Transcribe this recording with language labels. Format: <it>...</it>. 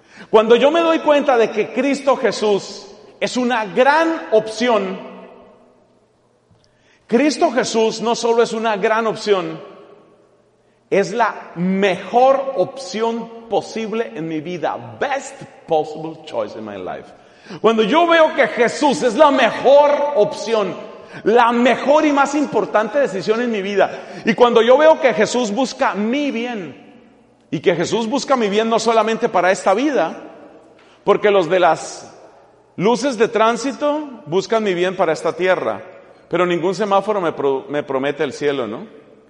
<es>Cuando yo me doy cuenta de que Cristo Jesús es una gran opción, Cristo Jesús no solo es una gran opción, es la mejor opción posible en mi vida.</es> <en>Best possible choice in my life.</en> <es>Cuando yo veo que Jesús es la mejor opción, la mejor y más importante decisión en mi vida, y cuando yo veo que Jesús busca mi bien, y que Jesús busca mi bien no solamente para esta vida, porque los de las luces de tránsito buscan mi bien para esta tierra, pero ningún semáforo me promete el cielo, ¿no?</es>